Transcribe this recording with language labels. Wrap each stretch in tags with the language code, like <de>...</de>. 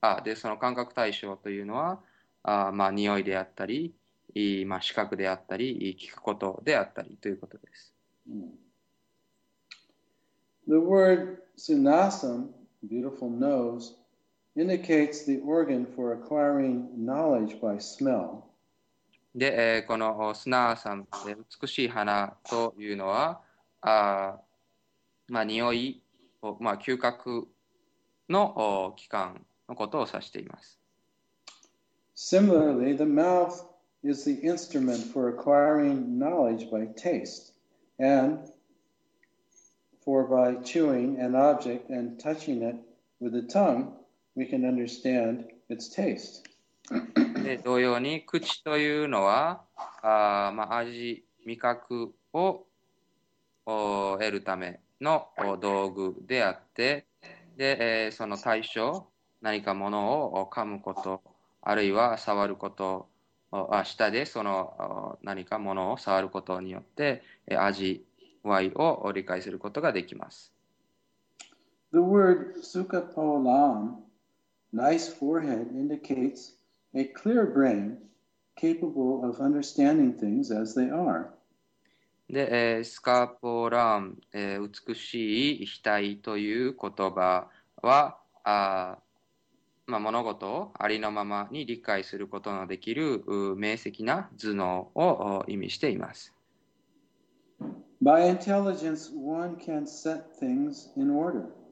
<ja>で、その感覚対象というのは、匂いであったり、視覚であったり、聞くことであったりということです。</ja> <en>The word sunasam, beautiful nose, indicates the organ for acquiring knowledge by smell.</en> <ja>で、このスナーさん、美しい花というのは、匂いを、嗅覚の器官のことを指しています。</ja> <en>Similarly, the mouth is the instrument for acquiring knowledge by taste and for by chewing an object and touching it with the tongue, we can understand its taste.</en> <ja>で、同様に、口というのは、味、味覚を得るための道具であって、で、その対象、何かものを噛むこと、あるいは触ること、舌でその何かものを触ることによって、味、わいを理解することができます。</ja> <en>The word sukha polam, nice forehead, indicates a clear brain capable of understanding things as they are.</en> <ja>で、スカポラン、美しい額という言葉は、物事をありのままに理解することのできる、明晰な頭脳を意味しています。</ja> <en>By intelligence, one can set things in order.</en>